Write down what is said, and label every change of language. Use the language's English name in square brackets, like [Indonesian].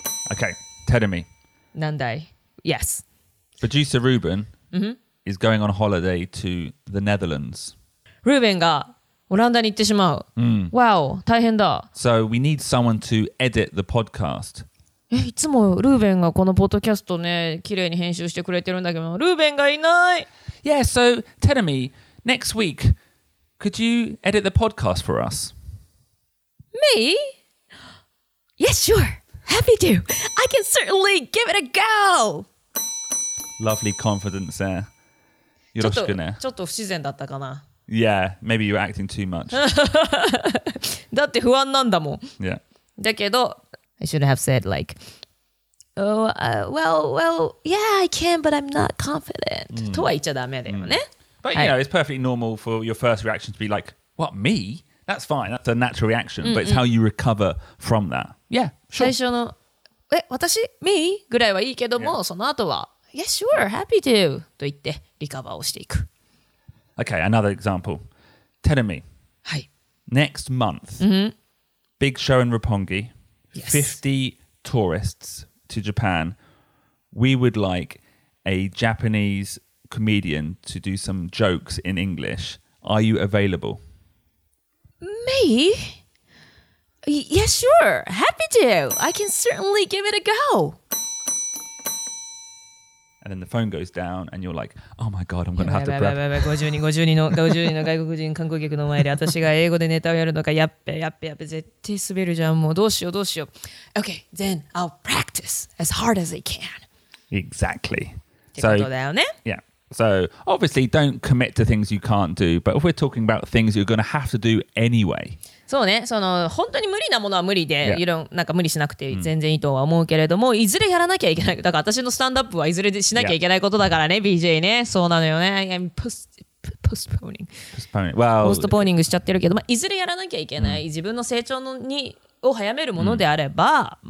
[English] Okay, Terumi. [Japanese] Nandai. [English] Yes. Producer Ruben、mm-hmm. is going on holiday to the Netherlands. [Japanese] Ruben がオランダに行ってしまう。Wow, 大変だ。 [English] So we need someone to edit the podcast. [Japanese] え、いつもルーベンがこのポッドキャストね、きれいに編集してくれてるんだけど、ルーベンがいない。 [English] Yeah, so tell me, next week, could you edit the podcast for us? Me? Yes, sure. Happy to. I can certainly give it a go. Lovely confidence there. [Japanese] よろしくね。ちょっと不自然だったかな。 [English] Yeah, maybe you're acting too much. [Japanese] だって不安なんだもん。 [English] Yeah. [Japanese] だけど、 [English] I should have said like, oh, well, yeah, I can, but I'm not confident.、Mm. [Japanese] とは言っちゃダメだよね。 [English] But you know, it's perfectly normal for your first reaction to be like, what, me? That's fine. That's a natural reaction, but it's how you recover from that. Yeah, sure. [Japanese] 最初の、え、私、me? ぐらいはいいけども、yeah. その後は、 yeah, sure, happy to, と言って、リカバーをしていく。 [English] Okay, another example. Terumi. [Japanese] はい。 [English] Next month,、 mm-hmm. big show in Roppongi,、 yes. 50 tourists to Japan. We would like a Japanese comedian to do some jokes in English. Are you available? Me? Yeah, sure. Happy to. I can certainly give it a go. And then the phone goes down and you're like, oh my god, I'm going to have to prep. [Japanese] やばい、50人の外国人観光客の前で私が英語でネタをやるのか、やっべ、絶対滑るじゃん。もうどうしよう。 [English] Okay, then I'll practice as hard as I can. Exactly. [Japanese] ってことだよね。 [English] Yeah. So, obviously, don't commit to things you can't do, but if we're talking about things you're going to have to do anyway. [Japanese] そうね、その本当に無理なものは無理で、yeah. なんか無理しなくて全然いいとは思うけれども、mm. いずれやらなきゃいけない。だから私のスタンドアップはいずれしなきゃいけないことだからね、yeah. BJ ね。そうなのよね。I'm [English] postponing. Postponing. Well, [Japanese] postponing しちゃってるけど、まあ、いずれやらなきゃいけない、mm. 自分の成長のにを早めるものであれば、mm.